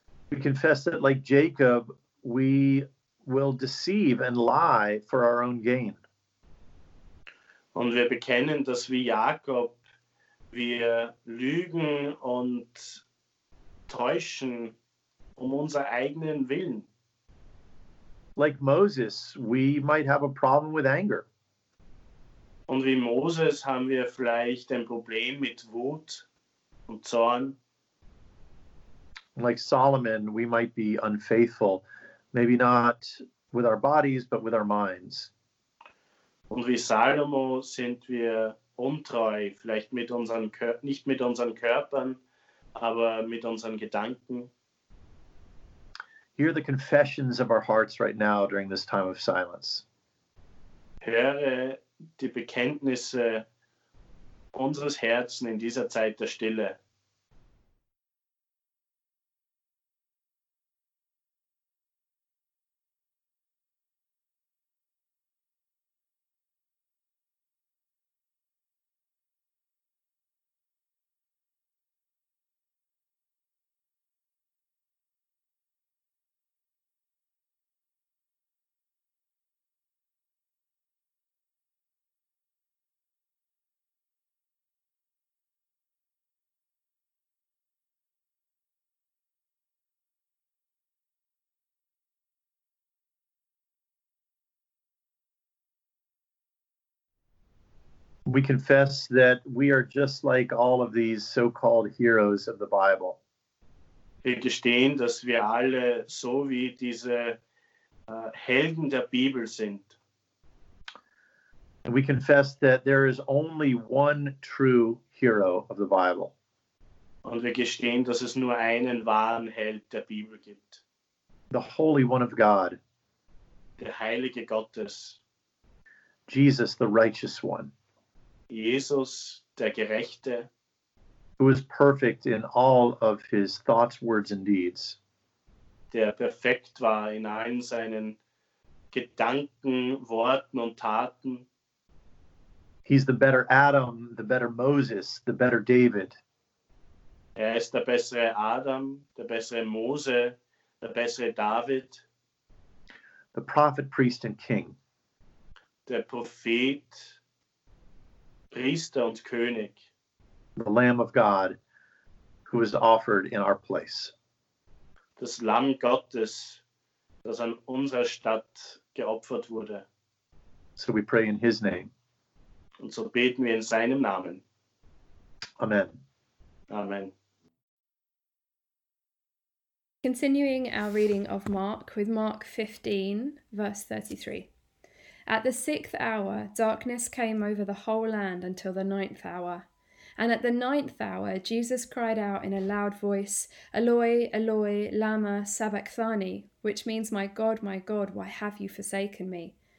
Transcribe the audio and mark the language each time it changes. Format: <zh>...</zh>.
<en>We confess that like Jacob, we will deceive and lie for our own gain.</en> <de>Und wir bekennen, dass wie Jakob, wir lügen und täuschen um unser eigenen Willen.</de> <en>Like Moses, we might have a problem with anger.</en> <de>Und wie Moses haben wir vielleicht ein Problem mit Wut und Zorn.</de> <en>Like Solomon, we might be unfaithful, maybe not with our bodies, but with our minds.</en> <de>Und wie Salomo sind wir untreu, vielleicht mit unseren nicht mit unseren Körpern, aber mit unseren Gedanken.</de> <en>Hear the confessions of our hearts right now during this time of silence.</en> <de>Höre die Bekenntnisse unseres Herzens in dieser Zeit der Stille.</de> <en>We confess that we are just like all of these so-called heroes of the Bible.</en> <de>Wir gestehen, dass wir alle so wie diese Helden der Bibel sind.</de> <en>We confess that there is only one true hero of the Bible.</en> <de>Und wir gestehen, dass es nur einen wahren Held der Bibel gibt.</de> <en>The Holy One of God.</en> <de>Der Heilige Gottes.</de> <en>Jesus, the Righteous One.</en> <de>Jesus, der Gerechte,</de> <en>who is perfect in all of his thoughts, words and deeds,</en> <de>der perfekt war in allen seinen Gedanken, Worten und Taten.</de> <en>He's the better Adam, the better Moses, the better David.</en> <de>Er ist der bessere Adam, der bessere Mose, der bessere David.</de> <en>The prophet, priest and king.</en> <de>Der Prophet, Priester und König.</de> <en>The Lamb of God, who is offered in our place.</en> <de>Das Lamm Gottes, das an unserer Stadt geopfert wurde.</de> <en>So we pray in his name.</en> <de>Und so beten wir in seinem Namen.</de> <en>Amen.</en> <de>Amen.</de> <en>Continuing our reading of Mark with Mark 15, verse 33. At the sixth hour, darkness came over the whole land until the ninth hour. And at the ninth hour, Jesus cried out in a loud voice,</en> <arc>Eloi, Eloi, lama sabachthani,</arc> <en>which means, my God, why have you forsaken me?</en>